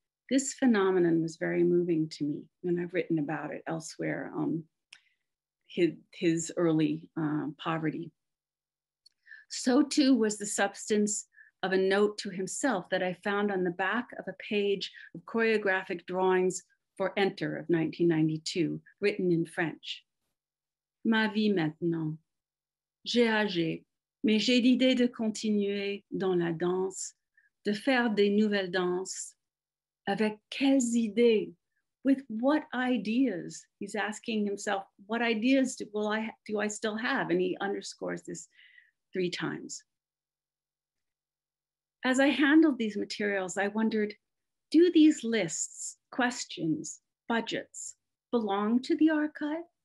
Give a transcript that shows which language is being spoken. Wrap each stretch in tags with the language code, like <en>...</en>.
<en>This phenomenon was very moving to me, and I've written about it elsewhere, his early poverty. So too was the substance of a note to himself that I found on the back of a page of choreographic drawings for Enter of 1992, written in French.</en> <fr>Ma vie maintenant. J'ai âgé, mais j'ai l'idée de continuer dans la danse, de faire des nouvelles danses. Avec quelles idées?</fr> <en>With what ideas? He's asking himself, what ideas do I still have? And he underscores this three times. As I handled these materials, I wondered, do these lists, questions, budgets belong to the archive?</en>